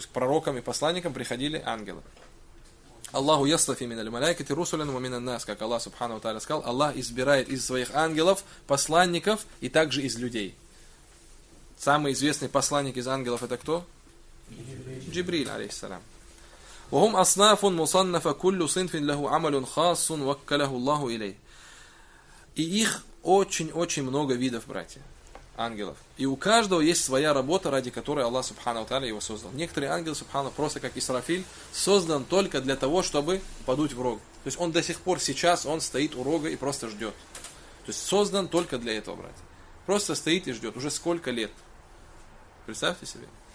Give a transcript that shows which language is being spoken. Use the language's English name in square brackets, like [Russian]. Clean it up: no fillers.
[Russian] То есть к пророкам и посланникам приходили ангелы. [Arabic] Аллаху яслафи миналь малайкати русулян ва минан нас, [Russian] как Аллах Субхану ва Тааля сказал, Аллах избирает из своих ангелов посланников и также из людей. Самый известный посланник из ангелов — это кто? Джибриль, алейхиссалям. [Arabic] وهم أصناف مصنفة كل صنف له عمل خاص وكله الله إليه. [Russian] И их очень-очень много видов, братья, ангелов. И у каждого есть своя работа, ради которой Аллах Субхану ва Тааля его создал. Некоторые ангелы, Субхану, просто как Исрафиль, создан только для того, чтобы подуть в рог. То есть он до сих пор сейчас, он стоит у рога и просто ждет. То есть создан только для этого, братья. Просто стоит и ждет. Уже сколько лет? Представьте себе.